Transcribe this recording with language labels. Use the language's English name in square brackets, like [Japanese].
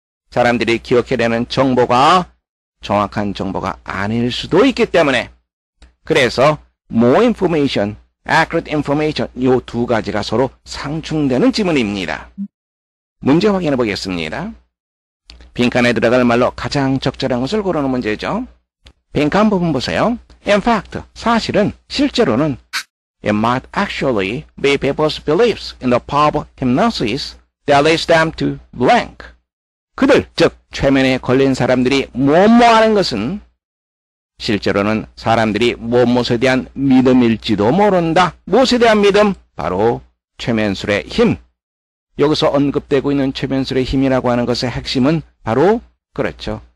[Korean] 사람들이 기억해내는 정보가 정확한 정보가 아닐 수도 있기 때문에. 그래서 [English] more information, accurate information [Korean] 이 두 가지가 서로 상충되는 지문입니다. 문제 확인해 보겠습니다. 빈칸에 들어갈 말로 가장 적절한 것을 고르는 문제죠. 빈칸 부분 보세요. [English] In fact, [Korean] 사실은 실제로는 [English] It might actually be people's beliefs in the power of hypnosis that leads them to blank. [Korean] 그들, 즉 최면에 걸린 사람들이 뭐뭐 하는 것은 실제로는 사람들이 뭐뭐에 대한 믿음일지도 모른다. 무엇에 대한 믿음? 바로 최면술의 힘. 여기서 언급되고 있는 최면술의 힘이라고 하는 것의 핵심은 바로 그렇죠.